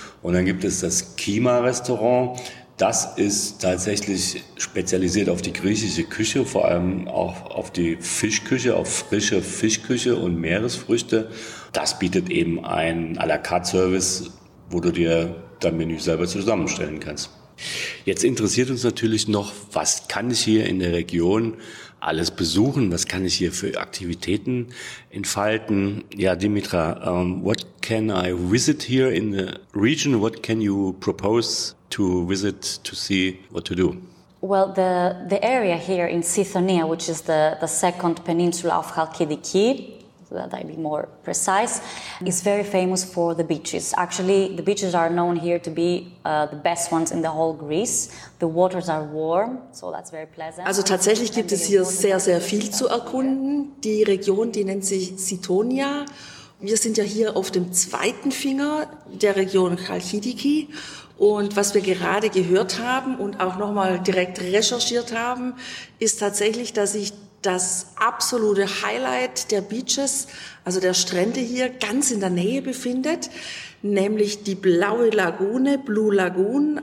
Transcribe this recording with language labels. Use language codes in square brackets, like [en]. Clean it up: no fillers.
[de] Und dann gibt es das Kima-Restaurant. Das ist tatsächlich spezialisiert auf die griechische Küche, vor allem auch auf die Fischküche, auf frische Fischküche und Meeresfrüchte. Das bietet eben einen à la carte Service, wo du dir dein Menü selber zusammenstellen kannst. Jetzt interessiert uns natürlich noch, was kann ich hier in der Region alles besuchen? Was kann ich hier für Aktivitäten entfalten? [en] Ja, Dimitra, what can I visit here in the region? What can you propose to visit, to see, what to do? Well, the area here in Sithonia, which is the second peninsula of Chalkidiki, that I'd be more precise, is very famous for the beaches. Actually, the beaches are known here to be the best ones in the whole Greece. The waters are warm, so that's very pleasant. [de] Also tatsächlich gibt es hier sehr, sehr viel zu erkunden. Die Region, die nennt sich Sithonia. Wir sind ja hier auf dem zweiten Finger der Region Chalkidiki. Und was wir gerade gehört haben und auch nochmal direkt recherchiert haben, ist tatsächlich, dass ich das absolute Highlight der Beaches, also der Strände hier, ganz in der Nähe befindet, nämlich die Blaue Lagune, Blue Lagoon.